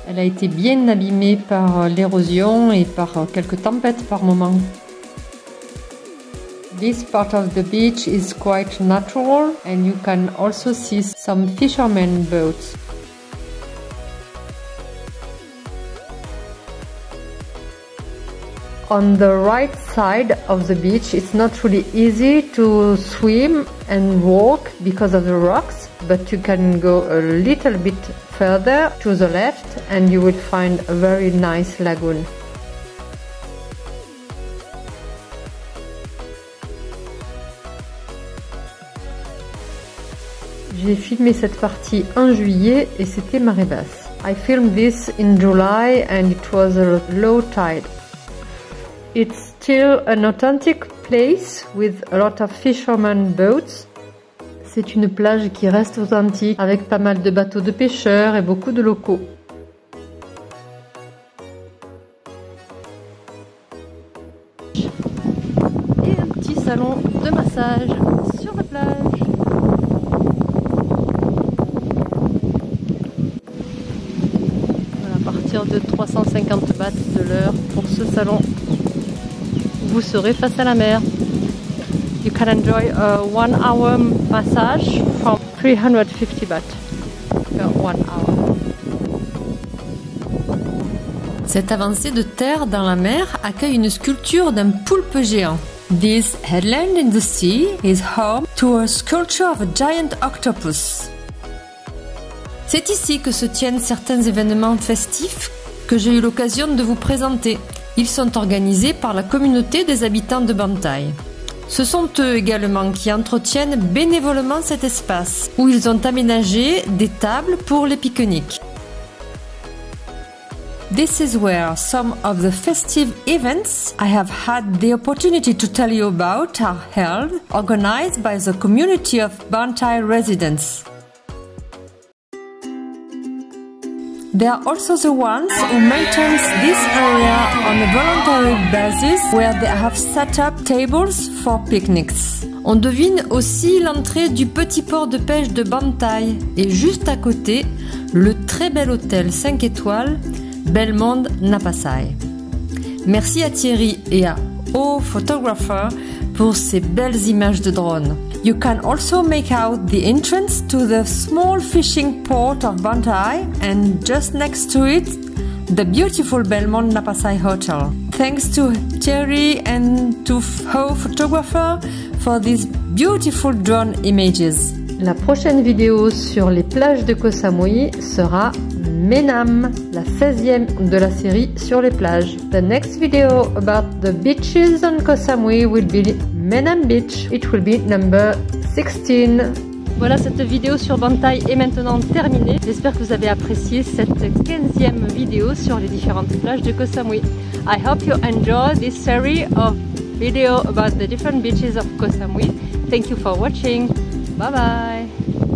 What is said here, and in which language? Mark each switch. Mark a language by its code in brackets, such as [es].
[fr] Elle a été bien abîmée par l'érosion et par quelques tempêtes par moment. [en] This part of the beach is quite natural and you can also see some fishermen boats. On the right side of the beach, it's not really easy to swim and walk because of the rocks, but you can go a little bit further to the left and you will find a very nice lagoon. [fr] J'ai filmé cette partie en juillet et c'était marée basse. [en] I filmed this in July and it was a low tide. It's still an authentic place with a lot of fishermen boats. [fr] C'est une plage qui reste authentique avec pas mal de bateaux de pêcheurs et beaucoup de locaux. Et un petit salon de massage sur la plage. À partir de 350 bahts de l'heure pour ce salon. Vous serez face à la mer. [en] You can enjoy a 1 hour massage from 350 baht per 1 hour. [fr] Cette avancée de terre dans la mer accueille une sculpture d'un poulpe géant. [en] This headland in the sea is home to a sculpture of a giant octopus. [fr] C'est ici que se tiennent certains événements festifs que j'ai eu l'occasion de vous présenter. Ils sont organisés par la communauté des habitants de Ban Tai. Ce sont eux également qui entretiennent bénévolement cet espace, où ils ont aménagé des tables pour les pique-niques. [en] This is where some of the festive events I have had the opportunity to tell you about are held, organized by the community of Ban Tai residents. They are also the ones who maintain this area on a voluntary basis where they have set up tables for picnics. [fr] On devine aussi l'entrée du petit port de pêche de Ban Tai et juste à côté, le très bel hôtel 5 étoiles Belmond Napasai. Merci à Thierry et à O Photographer pour ces belles images de drone. [en] You can also make out the entrance to the small fishing port of Ban Tai and just next to it, the beautiful Belmond Napasai Hotel. Thanks to Thierry and to Ho Photographer for these beautiful drone images. [fr] La prochaine vidéo sur les plages de Koh Samui sera Maenam, la 16e de la série sur les plages. [en] The next video about the beaches on Koh Samui will be Maenam Beach. It will be number 16. [fr] Voilà, cette vidéo sur Ban Tai est maintenant terminée. J'espère que vous avez apprécié cette 15e vidéo sur les différentes plages de Koh Samui. [en] I hope you enjoy this series of videos about the different beaches of Koh Samui. Thank you for watching. Bye bye.